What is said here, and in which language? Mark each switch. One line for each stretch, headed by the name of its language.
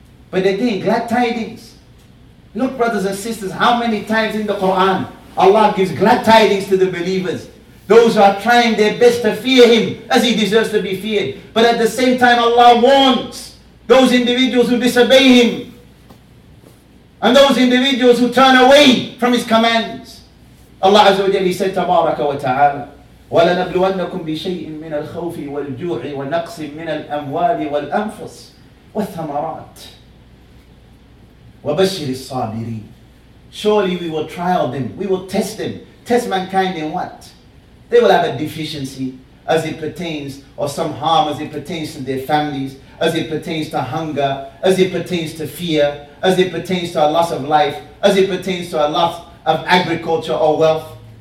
English: But again, glad tidings. Look, brothers and sisters, how many times in the Quran Allah gives glad tidings to the believers. Those who are trying their best to fear Him as He deserves to be feared. But at the same time, Allah warns those individuals who disobey Him and those individuals who turn away from His commands. Allah Azza wa Jalla, He said,
Arabic: Tabaraka wa Ta'ala, وَلَنَبْلُوَنَّكُمْ بِشَيْءٍ مِنَ الْخَوْفِ وَالْجُوعِ وَنَقْصٍ مِنَ الْأَمْوَالِ وَالْأَنْفُسِ وَالثَّمَرَاتِ وَبَشِّرِ الصَّابِرِينَ.
English: Surely we will trial them, we will test them. Test mankind in what? They will have a deficiency as it pertains, or some harm as it pertains to their families, as it pertains to hunger, as it pertains to fear, as it pertains to a loss of life, as it pertains to a loss of agriculture or wealth.